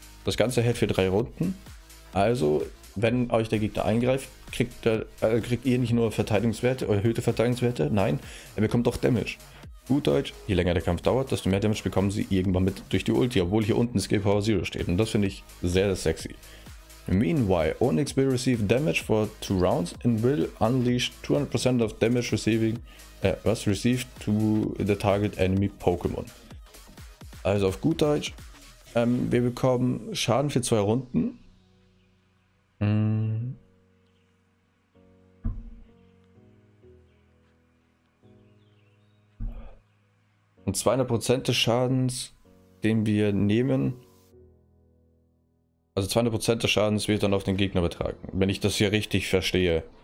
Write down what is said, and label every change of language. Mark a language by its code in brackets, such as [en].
[de] Das Ganze hält für 3 Runden. Also, wenn euch der Gegner eingreift, kriegt ihr nicht nur Verteidigungswerte, erhöhte Verteidigungswerte, nein, er bekommt auch Damage. Gut Deutsch, je länger der Kampf dauert, desto mehr Damage bekommen sie irgendwann mit durch die Ulti, obwohl hier unten Skill Power Zero steht. Und das finde ich sehr, sehr sexy. [en] Meanwhile, Onix will receive damage for 2 rounds and will unleash 200% of damage receiving, was received to the target enemy Pokémon. [de] Also auf gut Deutsch, wir bekommen Schaden für 2 Runden. Und 200% des Schadens, den wir nehmen, also 200% des Schadens wird dann auf den Gegner übertragen, wenn ich das hier richtig verstehe.